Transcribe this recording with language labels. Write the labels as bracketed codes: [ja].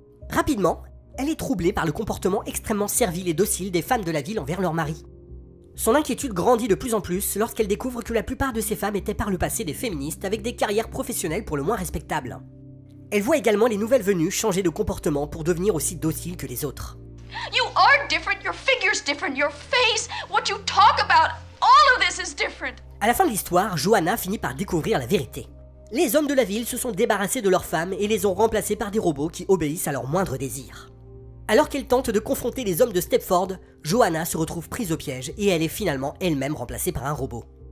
[fr] Rapidement, elle est troublée par le comportement extrêmement servile et docile des femmes de la ville envers leur mari. Son inquiétude grandit de plus en plus lorsqu'elle découvre que la plupart de ces femmes étaient par le passé des féministes avec des carrières professionnelles pour le moins respectables. Elle voit également les nouvelles venues changer de comportement pour devenir aussi dociles que les autres. [en] You are different, your figure's different, your face, what you talk about, all of this is different. [fr] À la fin de l'histoire, Joanna finit par découvrir la vérité. Les hommes de la ville se sont débarrassés de leurs femmes et les ont remplacés par des robots qui obéissent à leurs moindres désirs. Alors qu'elle tente de confronter les hommes de Stepford, Joanna se retrouve prise au piège et elle est finalement elle-même remplacée par un robot.